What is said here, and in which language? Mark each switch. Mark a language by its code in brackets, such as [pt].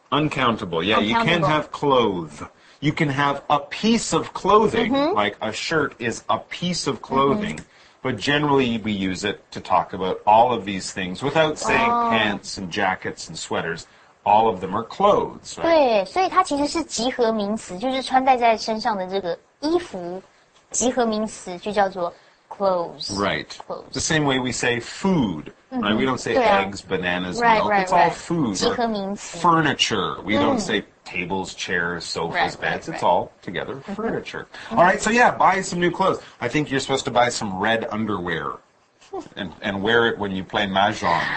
[en] Uncountable. Yeah, you can't have clothes. You can have a piece of clothing. Like a shirt is a piece of clothing. But generally, we use it to talk about all of these things without saying pants and jackets and sweaters. All of them are clothes, right? [zh] 对，所以它其实是集合名词，就是穿戴在身上的这个衣服，集合名词就叫做 clothes. [en] Right. Clothes. The same way we say food. Right? We don't say eggs, bananas, right, milk. Right, it's all food. [zh] 集合名词. [en] Furniture. We don't say tables, chairs, sofas, beds. It's all together furniture. All right, so yeah, buy some new clothes. I think you're supposed to buy some red underwear and wear it when you play Mahjong.